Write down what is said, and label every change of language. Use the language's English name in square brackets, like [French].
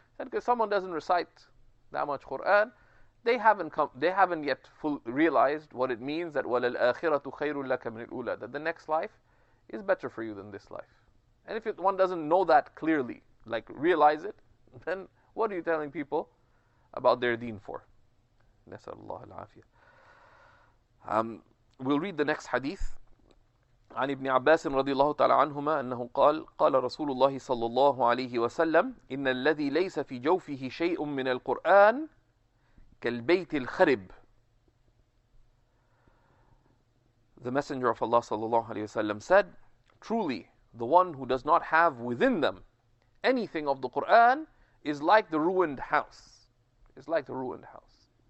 [English] And because someone doesn't recite that much Quran, they haven't yet realized what it means that [Arabic] wal al-akhiratu khayrun laka min al-ula, [English] that the next life is better for you than this life. And if one doesn't know that clearly, like realize it, then what are you telling people about their deen for? [Arabic] نسأل الله العافية. [English] We'll read the next hadith. [Arabic] عن ابن عباس رضي الله تعالى عنهما أنه قال قال رسول الله صلى الله عليه وسلم إن الذي ليس في جوفه شيء من القرآن كالبيت الخرب. [English] The messenger of Allah [Arabic] صلى الله عليه وسلم [English] said, truly, the one who does not have within them anything of the Quran is like the ruined house. It's like the ruined house.